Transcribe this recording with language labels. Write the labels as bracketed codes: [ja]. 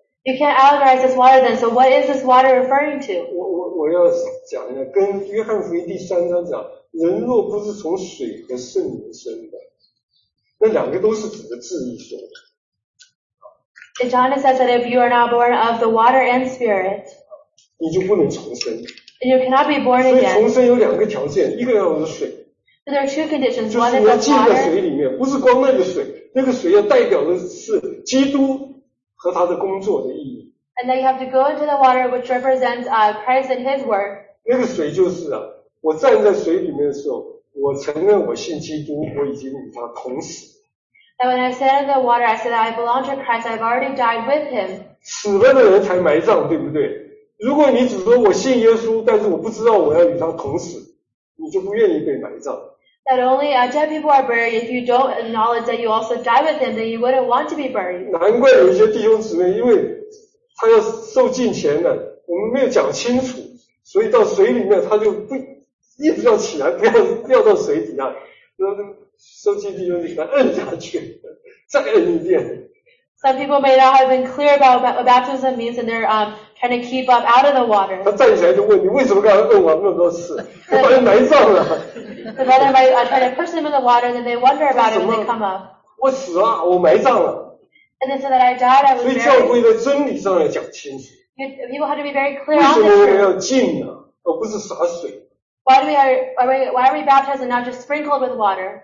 [en] You can't allegorize this water then, so what is this water referring to? [zh] 我要讲一下，跟约翰福音第三章讲，人若不是从水和圣灵生的，那两个都是指着字意说的。 [en] And John says that if you are not born of the water and spirit, [zh] 你就不能重生。 [en] And you cannot be born again. [zh] 所以重生有两个条件，一个要有水。 [en] So there are two conditions. [zh] 就是你要进到水里面，不是光那个水，那个水要代表的是基督和他的工作的意义。 [en] And then you have to go into the water, which represents Christ and His work. [zh] 那个水就是啊，我站在水里面的时候，我承认我信基督，我已经与他同死。 [en] And when I stand in the water, I say that I belong to Christ. I've already died with Him. [zh] 死了的人才埋葬，对不对？如果你只说我信耶稣，但是我不知道我要与他同死，你就不愿意被埋葬。 [en] That only dead people are buried. If you don't acknowledge that you also die with them, then you wouldn't want to be buried. [zh] 难怪有些弟兄姊妹，因为他要受浸前呢，我们没有讲清楚，所以到水里面他就不一直要起来，不要掉到水底下，然后受浸弟兄就给他摁下去，再摁一遍。 [en] Some people may not have been clear about what baptism means, and they're trying to keep up out of the water. [zh] 他站起来就问你为什么刚才问我那么多事，我把人埋葬了。 [en] The brother might try to push them in the water, and then they wonder about it when they come up. [zh] 我死了，我埋葬了。 [en] And then so that I died, I was buried. [zh] 所以教会在真理上要讲清楚。 [en] People have to be very clear on this. [zh] 为什么要浸呢？而不是洒水。 [en] Why are we baptized and not just sprinkled with water?